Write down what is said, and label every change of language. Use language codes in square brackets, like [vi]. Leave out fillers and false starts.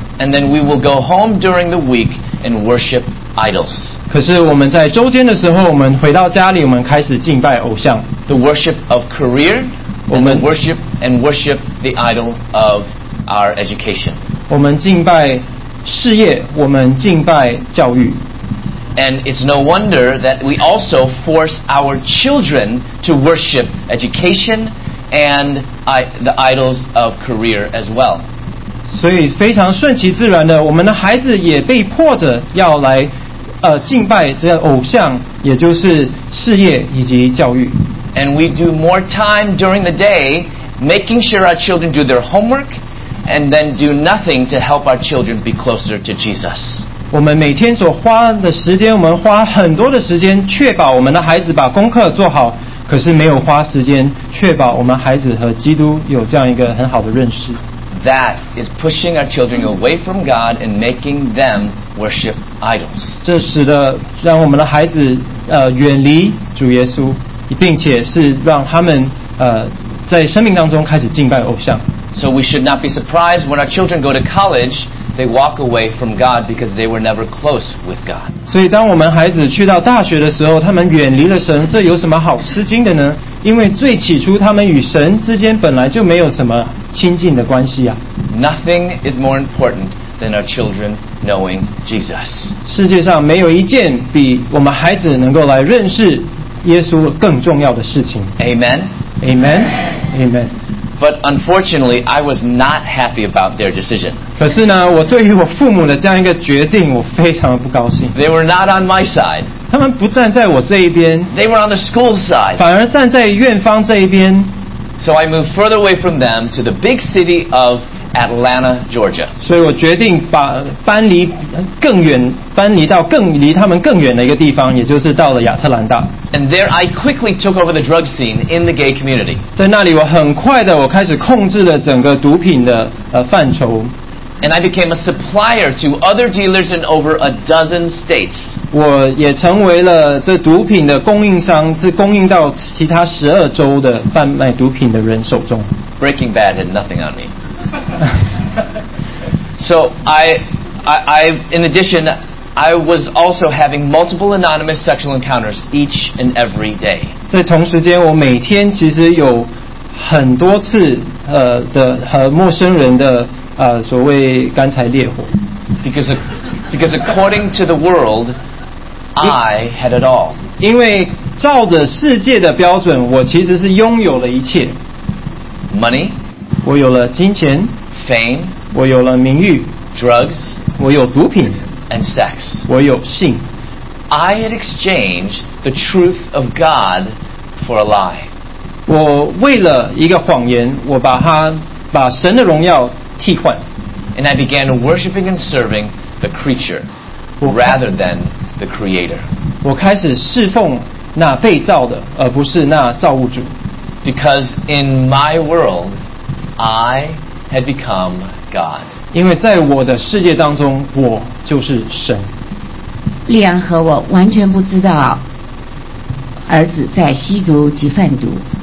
[en] And then we will go home during the week and worship idols. [zh] 可是我们在周间的时候，我们回到家里，我们开始敬拜偶像。 [en] The worship of career, and worship the idol of our education. [zh] 我们敬拜事业，我们敬拜教育。 [en] And it's no wonder that we also force our children to worship education and the idols of career as well. [zh] 所以非常顺其自然的，我们的孩子也被迫着要来敬拜这个偶像，也就是事业以及教育。 [en] And we do more time during the day making sure our children do their homework and then do nothing to help our children be closer to Jesus. [zh] 我们每天所花的时间，我们花很多的时间确保我们的孩子把功课做好，可是没有花时间确保我们孩子和基督有这样一个很好的认识。 [en] That is pushing our children away from God and making them worship idols. [zh] 这使得让我们的孩子远离主耶稣，并且是让他们在生命当中开始敬拜偶像。 [en] So we should not be surprised when our children go to collegeThey walk away from God because they were never close with God. [zh] 所以当我们孩子去到大学的时候，他们远离了神，这有什么好吃惊的呢？因为最起初他们与神之间本来就没有什么亲近的关系啊。 [en] Nothing is more important than our children knowing Jesus. 世界上没有一件比我们孩子能够来认识耶稣更重要的事情。 Amen. Amen. Amen. But unfortunately, I was not happy about their decision. [zh] 可是呢，我对于我父母的这样一个决定，我非常的不高兴。 [en] They were not on my side. [zh] 他们不站在我这一边。 [en] They were on the school side. [zh] 反而站在院方这一边。 [en] So I moved further away from them to the big city of Atlanta, Georgia. [zh] 所以我决定把搬离更远，搬离到更离他们更远的一个地方，也就是到了亚特兰大。 [en] And there, I quickly took over the drug scene in the gay community. [zh] 在那里，我很快的，我开始控制了整个毒品的范畴。 [en] And I became a supplier to other dealers in over a dozen states. [zh] 我也成为了这毒品的供应商，是供应到其他十二州的贩卖毒品的人手中。 [en] Breaking Bad had nothing on me. So I in addition, I was also having multiple anonymous sexual encounters each and every day. [zh] 在同时间，我每天其实有很多次的和陌生人的所谓干柴烈火。 [en] Because according to the world, I had it all. [zh] 因为照着世界的标准，我其实是拥有了一切。 [en] Money. [zh] 我有了金钱。 [en] Fame. [zh] 我有了名誉。 [en] Drugs. [zh] 我有毒品。 [en] And sex. [zh] 我有性。 [en] I had exchanged the truth of God for a lie. [zh] 我为了一个谎言，我把它把神的荣耀替换。 [en] And I began worshiping and serving the creature rather than the creator. [zh] 我开始侍奉那被造的，而不是那造物主。 [en] Because in my world, I had become God. [zh] 因为在我的世界当中，我就是神。莉安和我完全不知道儿子在吸毒及贩毒。